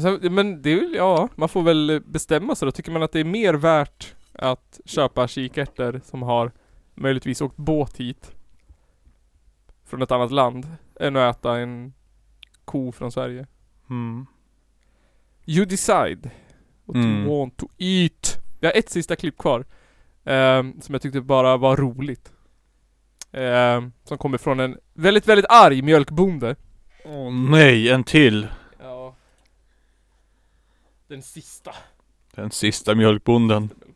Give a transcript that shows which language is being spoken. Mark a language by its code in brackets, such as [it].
[sv] Men det är ju, ja, man får väl bestämma sig då. Tycker man att det är mer värt att köpa kikärtor som har möjligtvis åkt båt hit från ett annat land än att äta en ko från Sverige? Mm. [en] You decide what you want to eat. [sv] Jag har ett sista klipp kvar som jag tyckte bara var roligt. Som kommer från en väldigt, väldigt arg mjölkbonde. Åh nej, en till. Ja. Den sista. Den sista mjölkbonden.